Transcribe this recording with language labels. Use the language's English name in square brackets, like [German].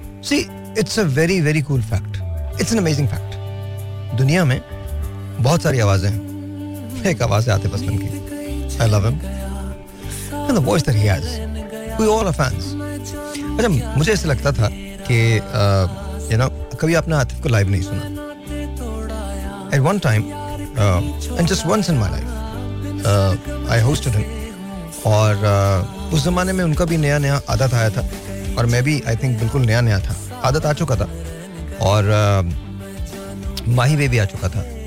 [English] See, it's a very very cool fact. It's an amazing fact. [Hindi] दुनिया में बहुत सारी आवाजें हैं. एक आवाज है आतिफ असलम की. [English] I love him and the voice that he has. We all are fans. [Hindi] अच्छा मुझे ऐसा लगता था कि [English] you know [Hindi] कभी आपने आतिफ को लाइव नहीं सुना. [English] At one time and just once in my life I hosted him. [Hindi] और उस जमाने में उनका भी नया नया आदत आया था और मैं भी [English] I think [Hindi] बिल्कुल नया नया था, आदत आ चुका था और माही बेबी आ चुका था.